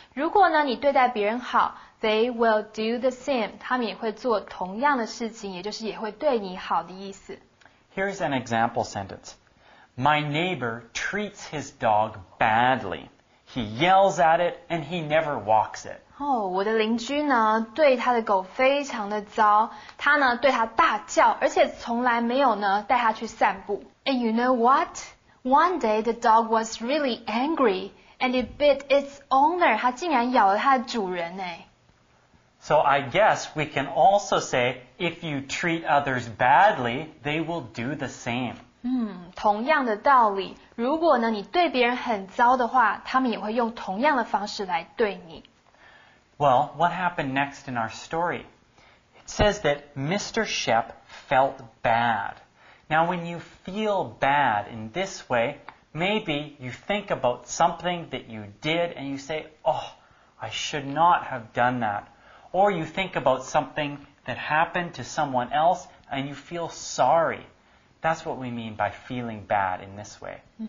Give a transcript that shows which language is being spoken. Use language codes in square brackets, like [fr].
[zh] 如果呢你对待别人好 [en] they will do the same, [zh] 他们也会做同样的事情也就是也会对你好的意思。 [en] Here's an example sentence. My neighbor treats his dog badly. He yells at it, and he never walks it. [zh] 我的邻居呢，对他的狗非常的糟。他呢，对他大叫，而且从来没有呢，带他去散步。 [en] And you know what? One day the dog was really angry, and it bit its owner. [zh] 他竟然咬了他的主人。 [en] So I guess we can also say, if you treat others badly, they will do the same. [zh] 同样的道理如果呢你对别人很糟的话他们也会用同样的方式来对你 [en] Well, what happened next in our story? It says that Mr. Shep felt bad Now when you feel bad in this way maybe you think about something that you did and you say, oh, I should not have done that or you think about something that happened to someone else and you feel sorryThat's what we mean by feeling bad in this way.